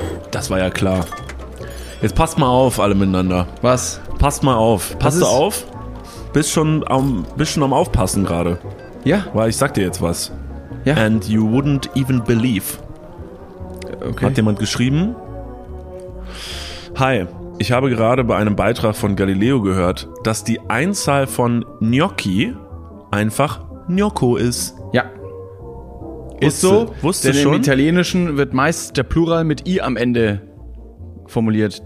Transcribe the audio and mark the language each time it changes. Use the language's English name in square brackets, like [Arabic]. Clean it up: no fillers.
[German] Das war ja klar. Jetzt passt mal auf, alle miteinander. Was? Passt mal auf. Passt du auf? Bist schon am Aufpassen gerade. Ja. Weil ich sag dir jetzt was. Ja. [English] And you wouldn't even believe. Okay. [German] Hat jemand geschrieben? Hi, ich habe gerade bei einem Beitrag von Galileo gehört, dass die Einzahl von Gnocchi einfach Gnocco ist. Ja. Ist so, wusste denn schon. Im Italienischen wird meist der Plural mit I am Ende formuliert.